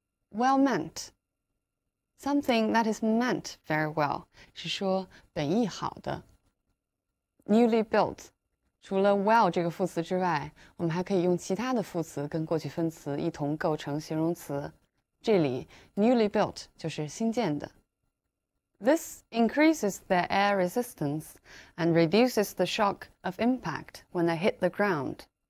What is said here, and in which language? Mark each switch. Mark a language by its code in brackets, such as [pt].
[en] Well meant, something that is meant very well, [zh] 是说本意好的。 [en] Newly built, [zh] 除了 well 这个副词之外，我们还可以用其他的副词跟过去分词一同构成形容词。这里 newly built 就是新建的。 [en] This increases their air resistance and reduces the shock of impact when they hit the ground.